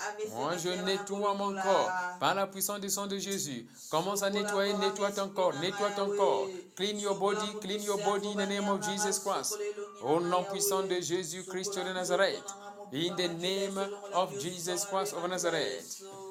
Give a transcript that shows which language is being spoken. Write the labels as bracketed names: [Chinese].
[French] Moi, je nettoie mon corps par la puissance du sang de Jésus. Commence à nettoyer, nettoie ton corps, nettoie ton corps. [English] Clean your body in the name of Jesus Christ. [French] Au nom puissant de Jésus Christ de Nazareth. [English] In the name of Jesus Christ of Nazareth.